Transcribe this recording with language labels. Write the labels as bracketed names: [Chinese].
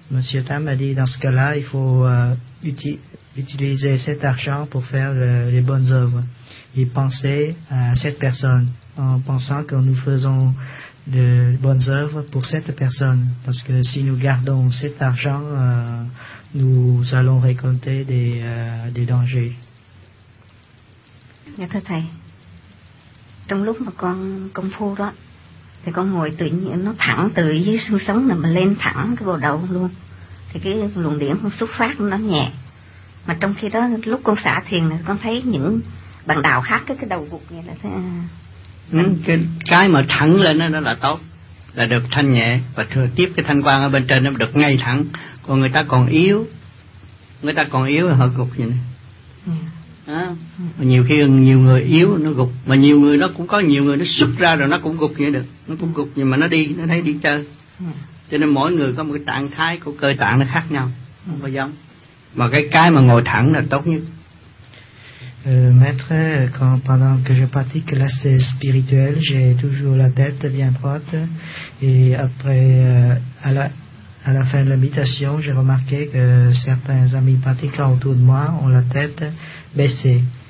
[French] Monsieur Tam a dit, dans ce cas-là, il faut utiliser cet argent pour faire les bonnes œuvres. Et penser à cette personne, en pensant que nous faisons de bonnes œuvres pour cette personne, parce que si nous gardons cet argent, nous allons récolter des dangers. [Vietnamese] Dạ thưa thầy, trong lúc mà con công phu đó, thì con ngồi tự nhiên nó thẳng từ dưới xương sống mà lên thẳng cái bộ đầu luôn, thì cái luồng điểm xuất phát nó nhẹ, mà trong khi đó lúc con xả thiền thì con thấy những bạn đạo khác cái đầu gục như là thế. Cái mà thẳng lên nó là tốt, là được thanh nhẹ, và thừa tiếp cái thanh quang ở bên trên nó được ngay thẳng. Còn người ta còn yếu, người ta còn yếu thì họ gục như này. À, nhiều khi nhiều người yếu nó gục, mà nhiều người nó cũng có nhiều người nó xuất ra rồi nó cũng gục như được, nó cũng gục nhưng mà nó đi, nó thấy đi chơi. Cho nên mỗi người có một cái trạng thái của cơ tạng nó khác nhau, không có giống. Mà cái mà ngồi thẳng là tốt nhất. [French] Maître, pendant que je pratique l'aspect spirituel, j'ai toujours la tête bien droite. Et après, à la fin de la méditation, j'ai remarqué que certains amis pratiquants autour de moi ont la tête baissée.